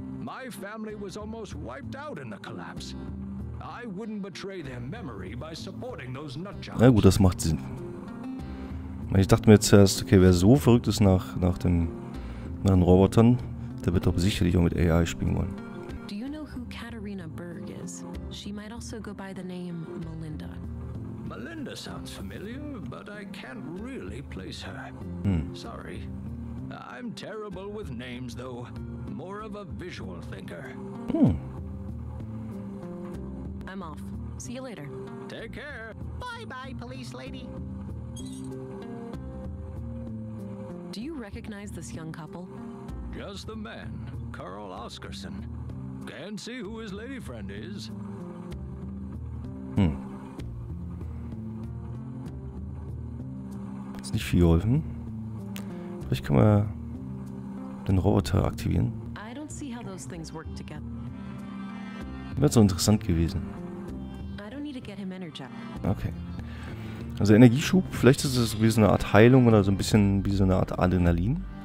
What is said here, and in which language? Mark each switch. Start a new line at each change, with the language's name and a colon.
English: My family was almost wiped out in the collapse. I wouldn't betray their memory by supporting those nutjobs.
German: Na gut, das macht Sinn. Ich dachte mir zuerst, okay, wer so verrückt ist nach den Robotern, der wird doch sicherlich auch mit AI spielen wollen.
English: Do you know who Katharina Berg is? She might also go by the name Melinda. Melinda sounds familiar, but I can't really place her. Sorry. I'm terrible with names though. More of a visual thinker. I'm off. See you later. Take care. Bye bye, police lady. Do you recognize this young couple? Just the man, Carl Oskarson. Can't see who his lady friend is.
German: Ist nicht viel geholfen. Vielleicht können wir den Roboter aktivieren.
English: I don't see how those things work together.
German: Wäre so interessant gewesen.
English: I don't need to get him energized. Okay.
German: Also Energieschub, vielleicht ist es wie so eine Art Heilung oder so ein bisschen wie so eine Art Adrenalin.